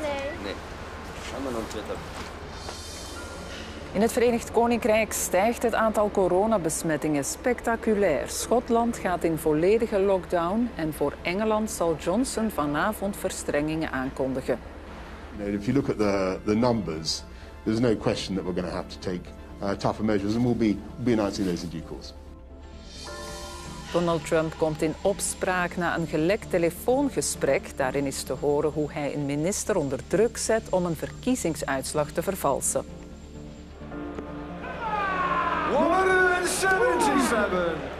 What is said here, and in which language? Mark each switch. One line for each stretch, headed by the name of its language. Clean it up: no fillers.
Dutch: Nee. Ga maar ontwetten. In het Verenigd Koninkrijk stijgt het aantal coronabesmettingen spectaculair. Schotland gaat in volledige lockdown en voor Engeland zal Johnson vanavond verstrengingen aankondigen.
English: If you look at the numbers, there's no question that we're going to have to take tougher measures, and we'll be announcing those in due course.
Dutch: Donald Trump komt in opspraak na een gelekt telefoongesprek. Daarin is te horen hoe hij een minister onder druk zet om een verkiezingsuitslag te vervalsen. 177.